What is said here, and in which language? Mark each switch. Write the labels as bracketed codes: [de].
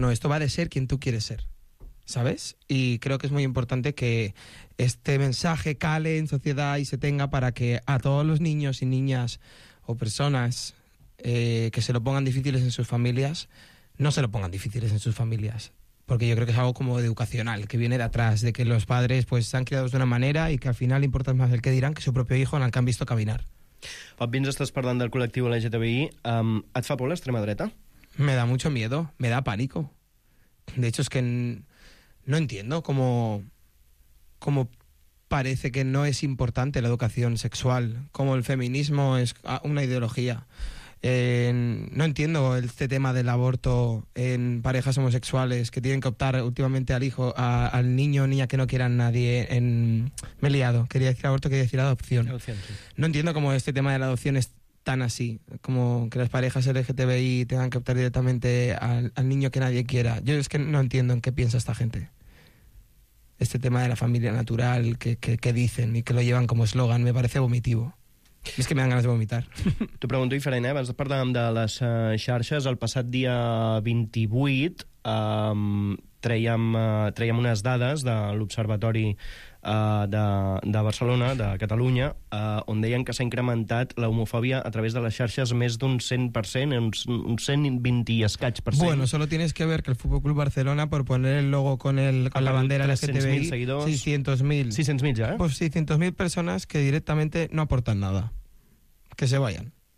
[es] No, esto va de ser quien tú quieres ser, ¿sabes? Y creo que es muy importante que este mensaje cale en sociedad y se tenga para que a todos los niños y niñas o personas que se lo pongan difíciles en sus familias, no se lo pongan difíciles en sus familias. Porque yo creo que es algo como educacional, que viene de atrás, de que los padres pues han criados de una manera y que al final importa más el que dirán que su propio hijo en el que han visto caminar. [ca] Obvi, ens estàs parlant del col·lectiu LGTBI. Et fa por l'extrema dreta? [es] Me da mucho miedo, me da pánico. De hecho, es que no entiendo cómo parece que no es importante la educación sexual, cómo el feminismo es una ideología. No entiendo este tema del aborto en parejas homosexuales que tienen que optar últimamente al hijo, al niño o niña que no quieran nadie. Me he liado. Quería decir aborto, quería decir adopción. Sí. No entiendo cómo este tema de la adopción es tan así, como que las parejas LGTBI tengan que optar directamente al niño que nadie quiera. Yo es que no entiendo en qué piensa esta gente. Este tema de la familia natural que dicen y que lo llevan como eslogan me parece vomitivo. [ca] És que [es] me dan ganes de vomitar. [ca] T'ho pregunto diferent, abans parlàvem de les xarxes. El passat dia 28 treiem unes dades de l'Observatori de Barcelona, de Catalunya, on deien que s'ha incrementat l'homofòbia a través de les xarxes més d'un 100%, un 120 i escaig per cent. [es] Bueno, solo tienes que ver que el Fútbol Club Barcelona, por poner el logo con el con la bandera LGTBI, 600.000. 600.000 ya, ¿eh? Pues 600.000 personas que directamente no aportan nada. Que se vayan.